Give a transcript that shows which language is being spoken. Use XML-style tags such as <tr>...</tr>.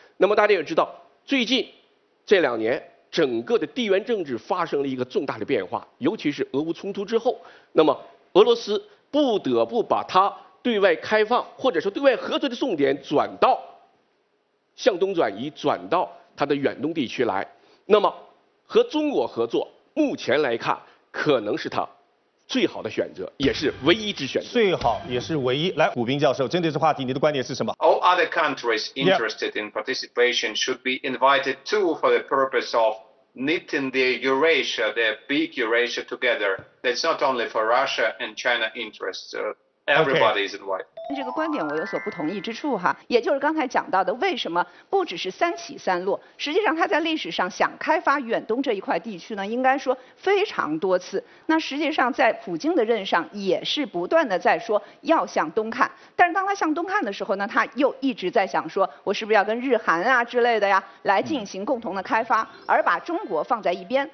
<zh>那么大家也知道，最近这两年整个的地缘政治发生了一个重大的变化，尤其是俄乌冲突之后，那么俄罗斯不得不把它对外开放或者说对外合作的重点转到向东转移，转到它的远东地区来。那么和中国合作目前来看可能是它最好的选择，也是唯一之选择。最好也是唯一。来，古斌教授，针对这话题，你的观点是什么？</zh> <en>All other countries interested in participation should be invited too for the purpose of knitting the Eurasia, the big Eurasia together. That's not only for Russia and China interests. Everybody is invited.</en> <zh>这个观点我有所不同意之处哈，也就是刚才讲到的，为什么不只是三起三落，实际上他在历史上想开发远东这一块地区呢，应该说非常多次。那实际上在普京的任上也是不断的在说要向东看，但是当他向东看的时候呢，他又一直在想说我是不是要跟日韩啊之类的呀来进行共同的开发，而把中国放在一边。</zh>